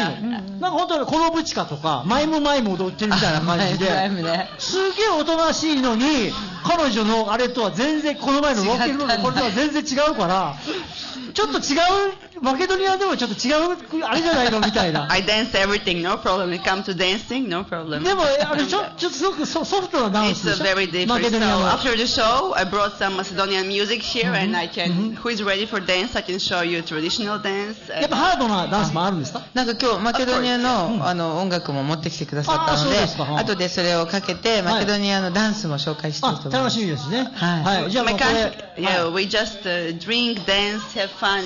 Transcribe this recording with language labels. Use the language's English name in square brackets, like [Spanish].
[Japanese] なんか本当にコロブチカとかマイムマイム踊ってるみたいな感じで、すげえ大人しいのに、彼女のあれとは全然、この前のロケルのこれとは全然違うから、ちょっと違う、マケドニアでもちょっと違うあれじゃないのみたいな。 [English] I dance everything, no problem. It comes to dancing, no problem. [Japanese] でもあれちょっとすごくソフトなダン [English] it's a very different style. After the show, I brought some Macedonian music here, and I can. Who is ready for dance? I can show you traditional dance. [Japanese] やっぱハードなダンスもあるんですか？なんか今日マケドニアのあの音楽も持ってきてくださったので、後でそれをかけてマケドニアのダンスも紹介したいと思います。楽しみですね。はい。じゃあこれ。 [English] Yeah, we just drink, dance, have fun.